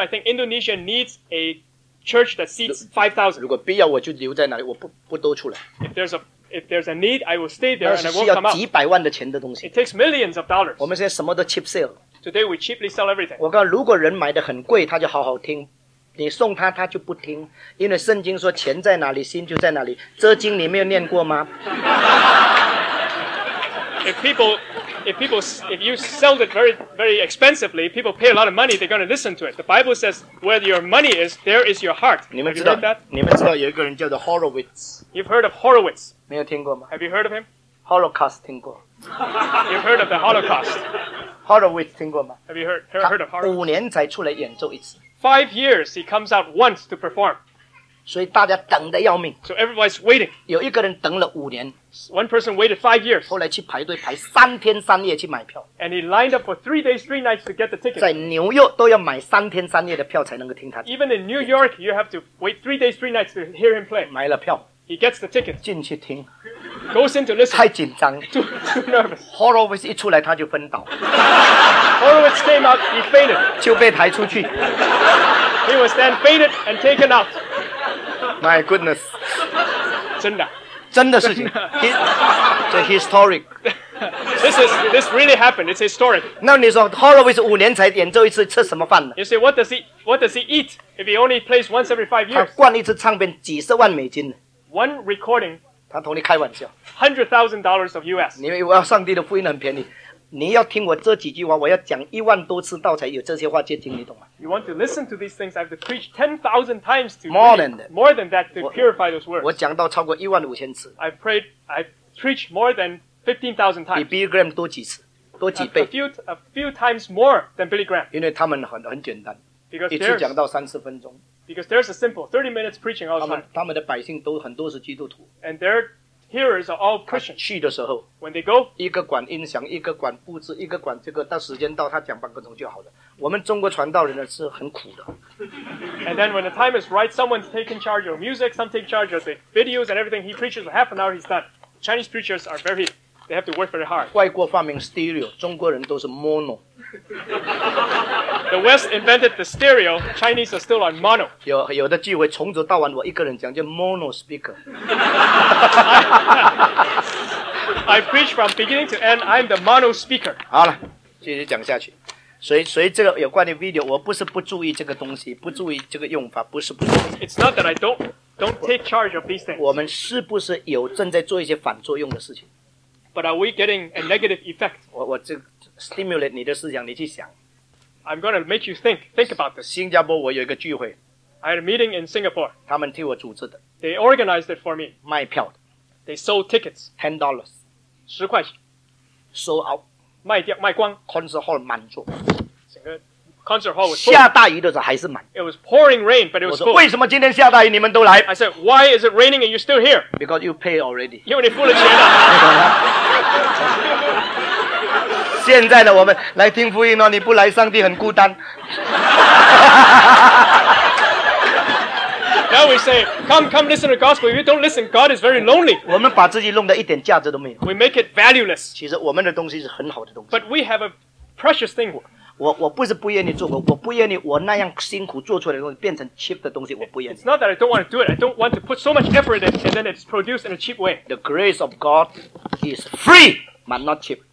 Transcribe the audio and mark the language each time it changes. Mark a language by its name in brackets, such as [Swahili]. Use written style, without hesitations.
[English] I think Indonesia needs a church that seats 5,000. [Chinese] 如果必要，我就留在那里，我不多出来。 [English] If there's a need, I will stay there and I won't come out. [Chinese] 那是需要几百万的钱的东西。 [English] It takes millions of dollars. [Chinese] 我们现在什么都 [English] cheap sale. Today we cheaply sell everything. [Chinese] 我告诉，如果人买的很贵，他就好好听。你送他，他就不听，因为圣经说钱在哪里，心就在哪里。这经你没有念过吗？ [English] If you sell it very, very expensively, people pay a lot of money. They're going to listen to it. The Bible says, "Where your money is, there is your heart." Have you heard that? [Chinese] 你们知道有一个人叫做 Horowitz. [English] You've heard of Horowitz. [Chinese] 没有听过吗 [English] ？Have you heard of him? [Chinese] Holocaust 听过。 [English] You've heard of the Holocaust. [Chinese] Horowitz 听过吗 [English] ？Have you heard of Horowitz? [Chinese] 五年才出来演奏一次。 [English] 5 years he comes out once to perform. [Chinese] 所以大家等得要命。 [English] So everybody's waiting. [Chinese] 有一个人等了五年。 [English] One person waited 5 years. [Chinese] 后来去排队排3天3夜去买票。 [English] And he lined up for 3 days, 3 nights to get the ticket. [Chinese] 在纽约都要买3天3夜的票才能够听他。 [English] Even in New York, you have to wait 3 days, 3 nights to hear him play. [Chinese] 买了票。 [English] He gets the ticket. [Chinese] 进去听。 [English] Goes in to listen. [Chinese] 太紧张。 [English] Too nervous. [Chinese] Horowitz 一出来他就昏倒。 [English] Horowitz came out, he fainted. [Chinese] 就被抬出去。 [English] He was then fainted and taken out. My goodness. [Chinese] 真的。真的事情 [English] the historic. This really happened. It's historic. [Chinese] 那你说 Horowitz 五年才演奏一次，吃什么饭呢 [English] ？You say what does he eat if he only plays once every 5 years? [Chinese] 他灌一次唱片几十万美金呢 [English] ？One recording. [Chinese] 他同你开玩笑。 [English] $100,000 of U.S. [Chinese] 你以为上帝的福音很便宜？你要听我这几句话，我要讲10,000多次道才有这些话接听，你懂吗 [English] ？You want to listen to these things? I have to preach 10,000 times to more than that. More than that to purify those words. [Chinese] 我讲到超过15,000次。 [English] I preached more than 15,000 times. [Chinese] 比 Billy Graham 多几次，多几倍。 [English] A few times more than Billy Graham. [Chinese] 因为他们很简单， [English] because、 [Chinese] 一次讲到3-4分钟。 [English] Because there's a simple 30 minutes preaching all the time. [Chinese] 他们的百姓都很多是基督徒。 [English] And they're Hearers are all Christians. [Chinese] 去的时候 [English] ，when they go， [Chinese] 一个管音响，一个管布置，一个管这个。到时间到，他讲半个钟就好了。我们中国传道人呢是很苦的。 [English] And then when the time is right, someone's taking charge of music, some take charge of the videos and everything. He preaches for half an hour, he's done. Chinese preachers are very, they have to work very hard. [Chinese] 外国发明 stereo, 中国人都是 mono. [English] The West invented the stereo, Chinese are still on mono. [Chinese] 有的机会从早到晚我一个人讲就 mono speaker. [English] I preach from beginning to end, I'm the mono speaker. [Chinese] 好了，继续讲下去。所以这个有关的 video, 我不是不注意这个东西，不注意这个用法，不是不注意。 [English] It's not that I don't take charge of these things. [Chinese] 我们是不是有正在做一些反作用的事情？ [English] But are we getting a negative effect? [Chinese] 我这 stimulate 你的思想，你去想。 [English] I'm going to make you think about this. [Chinese] 新加坡我有一个聚会。 [English] I had a meeting in Singapore. [Chinese] 他们替我组织的。 [English] They organized it for me. [Chinese] 卖票的。 [English] They sold tickets. $10. [Chinese] 十块钱。 [English] Sold out. [Chinese] 卖掉卖光，concert hall 满座，整个 concert hall 下大雨的时候还是满。 [English] It was pouring rain, but it was full. [Chinese] 为什么今天下大雨你们都来 [English] ？I said, why is it raining and you're still here? Because you pay already. [Chinese] 因为你付了钱了。现在的我们来听福音哦，你不来，上帝很孤单。 [English] Now we say, come listen to the gospel. If you don't listen, God is very lonely. [Chinese] 我们把自己弄得一点价值都没有。 [English] We make it valueless. [Chinese] 其实我们的东西是很好的东西。 [English] But we have a precious thing. [Chinese] 我不是不愿意做，我不愿意我那样辛苦做出来的东西变成 cheap 的东西，我不愿意。 [English] It's not that I don't want to do it. I don't want to put so much effort in and then it's produced in a cheap way. The grace of God is free, but not cheap.